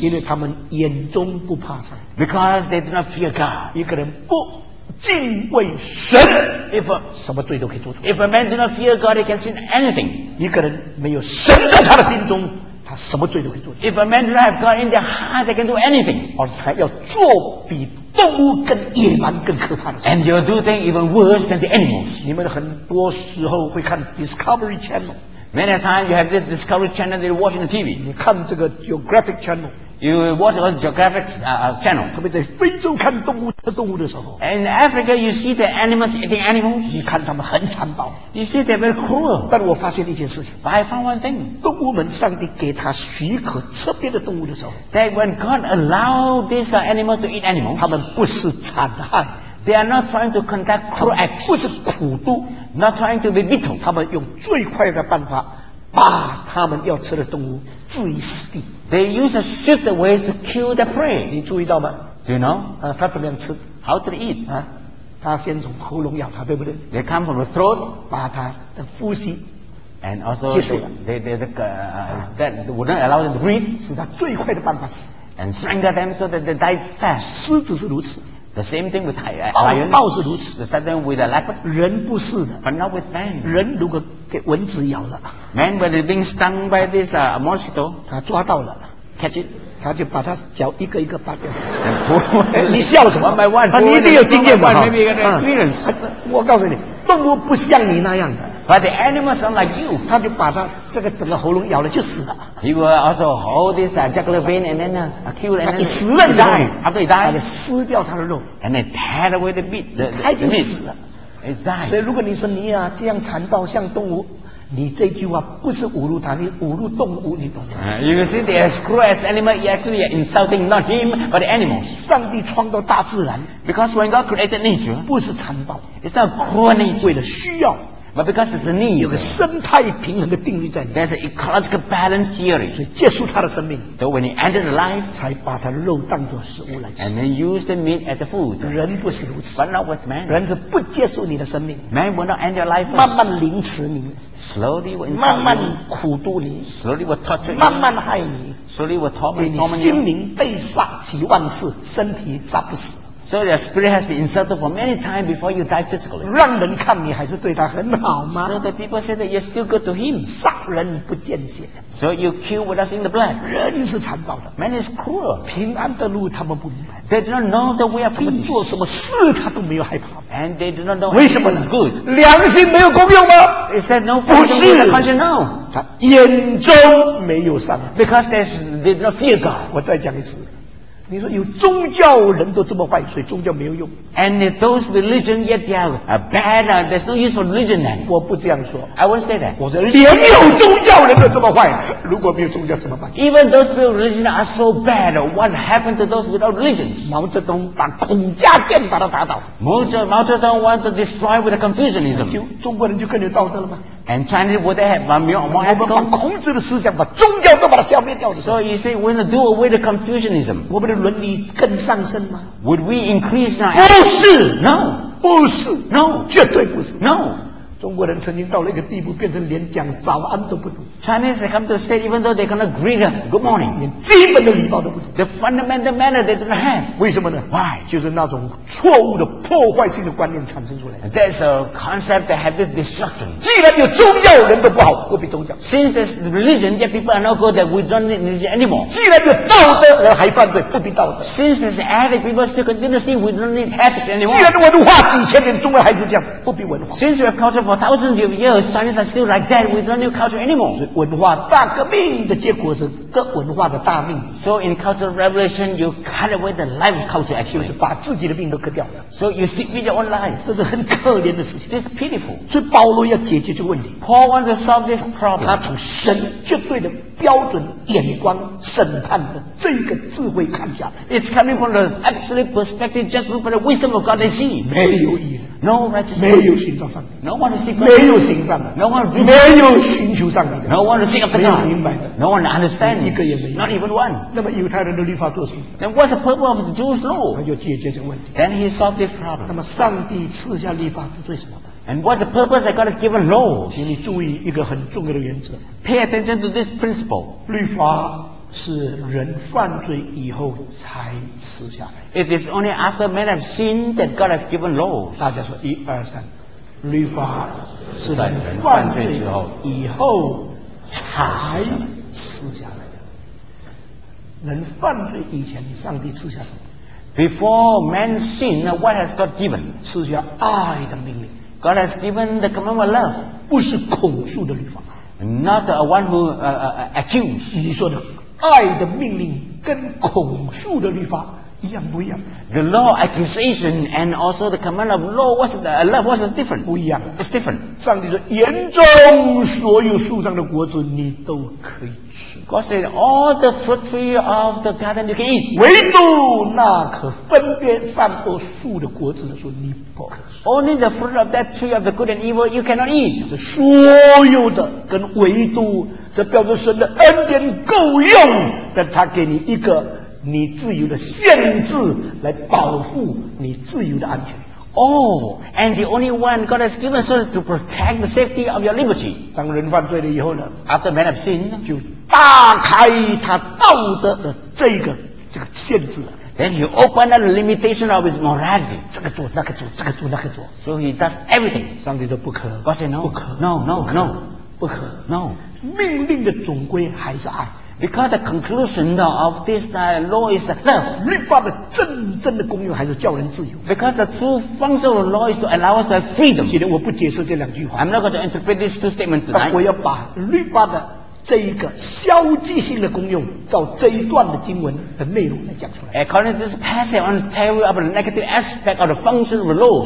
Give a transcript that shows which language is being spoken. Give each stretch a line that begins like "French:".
Chinese: 因为他们眼中不怕上帝
English: because they do not fear God
Chinese: 一个人不敬畏神
English: if a,
Chinese: 什么罪都可以做出来
English: If a man do not fear God, he can sin anything
Chinese: 一个人没有神在他的心中他什么罪都可以做出来
English: If a man do not have God in their heart, they can do anything
Chinese: 而且还要做比动物跟野蛮更可怕的
English: And you'll do things even worse than the animals
Chinese: 你们很多时候会看 Discovery Channel
English: Many times you have this Discovery Channel that you watch on the TV
Chinese: 你看这个 Geographic Channel
English: You watch on Geographic channel.
Chinese: 特别在非洲看动物吃动物的时候。
English: In Africa, you see the animals eating animals.
Chinese: 你看他们很残暴。
English: You see they're very cruel.
Chinese: 但我发现一件事情。
English: But I found one thing.
Chinese: 动物们上帝给他许可吃别的动物的时候。
English: That when God allowed these animals to eat animals.
Chinese: 他们不是残害。
English: They are not trying to conduct cruel acts.
Chinese: 不是苦毒。
English: Not trying to be bitter.
Chinese: 他们用最快的办法把他们要吃的动物置于死地。
English: They use a swift ways to kill the prey.
Chinese: 你注意到吗
English: Do you know?
Chinese: 他怎么样吃
English: How did he eat?
Chinese: 他先从喉咙咬他，对不对
English: They come from the throat.
Chinese: 把他的呼吸
English: And also they would not allow them to breathe.
Chinese: 是他最快的办法
English: And strangle them so that they die fast.
Chinese: 狮子是如此
English: The same thing with
Chinese: lion. 豹是如此
English: The same thing with a leopard.
Chinese: 人不是的
English: But not with man.
Chinese: 人如果给蚊子咬了
English: Man, when he's been stung by this mosquito,
Chinese: 他抓到了
English: catch it,
Chinese: 他就把他脚一个一个拔掉。你笑什么
English: ？One by one,
Chinese: 你一定有经验吧
English: ？Maybe you got experience.
Chinese: 我告诉你，动物不像你那样的。
English: But the animals are like you.
Chinese: 他就把他这个整个喉咙咬了就死了。
English: He will also hold this jugular vein and then kill and then
Chinese: 死了
English: die. After he dies,
Chinese: 他就撕掉他的肉。
English: And they tear away the meat.
Chinese: 他已经死了。
English: It died.
Chinese: 所以如果你说你啊这样残暴像动物。你这句话不是侮辱他，你侮辱动物，你懂吗
English: ？You see, they are as cruel as animal. He actually are insulting not him but the animals.
Chinese: 上帝创造大自然
English: ，because when God created nature,
Chinese: 不是残暴
English: ，it's not cruel nature.
Chinese: 为了需要
English: ，but because of the need.
Chinese: 有个生态平衡的定律在里面
English: ，there's an ecological balance theory.
Chinese: 所以结束他的生命
English: ，so when he ended the life,
Chinese: 才把他的肉当作食物来吃
English: ，and then use the meat as the food.
Chinese: 人不是如此
English: ，but not with man.
Chinese: 人是不接受你的生命
English: ，man will not end your life.
Chinese: 慢慢凌迟你。
English: Slowly will insult
Chinese: 慢慢苦读你
English: slowly will torture you,
Chinese: 慢慢害你
English: slowly will torment you,
Chinese: 你心灵被杀几万次身体杀不死
English: So your spirit has been inserted for many times before you die physically.
Chinese: 让人看你还是对他很好吗？
English: So the people say that you're still good to him.
Chinese: 杀人不见血。
English: So you kill without seeing the blood.
Chinese: 人是残暴的。
English: Man is cruel.
Chinese: 平安的路他们不明白。
English: They do not know the way of peace.
Chinese: 他们做什么事他都没有害怕。
English: And they do not know.
Chinese: 为什么呢？
English: Good.
Chinese: 良心没有功用吗？
English: Is that no function of conscience? No.
Chinese: 他眼中没有善。
English: Because they do not fear God.
Chinese: 我再讲一次。你说有宗教人都这么坏，所以宗教没有用。
English: And those religion yet they are bad. There's no use for religion then.
Chinese: 我不这样说。
English: I won't say that.
Chinese: 我说连有宗教人都这么坏，如果没有宗教怎么办？
English: Even those with religion are so bad. What happened to those without religions?
Chinese: 毛泽东把孔家店把他打倒。
English: 毛泽东 want to destroy with the Confucianism.
Chinese: 中国人就更有道德了吗？
English: And Chinese would they have more
Chinese: ethical? 我们把孔子的思想把宗教都把它消灭掉了。
English: So you say we're going to do away the Confucianism.
Chinese: 我们的伦理更上升吗？
English: Would we increase our
Chinese: ethical? 不是。
English: No.
Chinese: 不是。
English: No.
Chinese: 绝对不是。
English: No.
Chinese: 中国人曾经到了一个地步，变成连讲早安都不懂。
English: Chinese have come to the state even though they cannot greet them good morning.
Chinese: 连基本的礼貌都不懂。
English: The fundamental manner they don't have.
Chinese: 为什么呢？
English: Why?
Chinese: 就是那种错误的破坏性的观念产生出来。
English: There's a concept that have this destruction.
Chinese: 既然有宗教，人都不好，何必宗教？
English: Since there's religion, yet people are not good, that we don't need religion anymore.
Chinese: 既然有道德，人还犯罪，何必道德？
English: Since there's ethic, people still continue to sin, we don't need ethics anymore.
Chinese: 既然文化几千年，中国还是这样，何必文化？
English: Since we have culture for thousands of years, Chinese are still like that. We don't need culture anymore.
Chinese: 所以文化大革命的结果是各文化的大命。
English: So in cultural revolution, you cut away the life of culture, actually.
Chinese: 就是把自己的命都割掉了。
English: So you see with your own life.
Chinese: 这是很可怜的事情。
English: This is pitiful.
Chinese: 所以保罗要解决这个问题。
English: Paul wants to solve this problem.
Chinese: 他从神绝对的标准眼光审判的这个智慧看下来。
English: It's coming from the absolute perspective, just from the wisdom of God they see.
Chinese: 没有意义。
English: No righteousness.
Chinese: 没有寻找上帝。
English: No one to seek.
Chinese: 没有寻上帝。
English: No one to.
Chinese: 没有寻求上帝。
English: No one to seek after God.
Chinese: 没有明白的。
English: No one understand.
Chinese: 一个也没有。
English: Not even one.
Chinese: 那么犹太人的律法做什么？
English: Then what's the purpose of the Jewish law?
Chinese: 他就解决这个问题。
English: Then he solved this problem.
Chinese: 那么上帝赐下律法是做什么？
English: And what's the purpose that God has given laws?
Chinese: 请你注意一个很重要的原则。
English: Pay attention to this principle.
Chinese: 律法是人犯罪以后才赐下来。
English: It is only after men have sinned that God has given laws.
Chinese: 大家说一二三，律法是人犯罪之后以后才赐下来的。人犯罪以前，上帝赐下什么
English: ？Before man sinned, what has God given?
Chinese: 赐下爱的命令。
English: God has given the commandment of love.
Chinese: 不是控诉的律法。
English: Not a one who accuse.
Chinese: 你说的。爱的命令跟恐诉的律法一样不一样
English: ？The law accusation and also the command of law was love was different.
Chinese: 不一样
English: ，it's different.
Chinese: 上帝说，园中所有树上的果子你都可以吃。
English: God said all the fruit tree of the garden you can eat.
Chinese: 唯独那棵分别善恶树的果子的树你不可吃。
English: Only the fruit of that tree of the good and evil you cannot eat.
Chinese: 是所有的跟唯独。这表示神的恩典够用，但他给你一个你自由的限制来保护你自由的安全。
English: Oh, and the only one God has given us to protect the safety of your liberty.
Chinese: 当人犯罪了以后呢
English: ？After man have sinned,
Chinese: 就打开他道德的这个限制。
English: Then he opened up the limitation of his morality.
Chinese: 这个做那个做，这个做那个做。
English: So he does everything.
Chinese: 上帝都不可。
English: God said no.
Chinese: 不可。
English: No, no,
Chinese: 不可
English: no.
Chinese: 不可。
English: No.
Chinese: 命令的总归还是爱
English: ，because the conclusion of this law is love.
Chinese: 律法的真正的功用还是叫人自由
English: ，because the true function of the law is to allow us freedom.
Chinese: 今天我不解释这两句话
English: ，I'm not going to interpret these two statements tonight.
Chinese: 我要把律法的这一个消极性的功用，照这一段的经文的内容来讲出来。
English: According to this passage, I want to tell you about the negative aspect of the function of the law.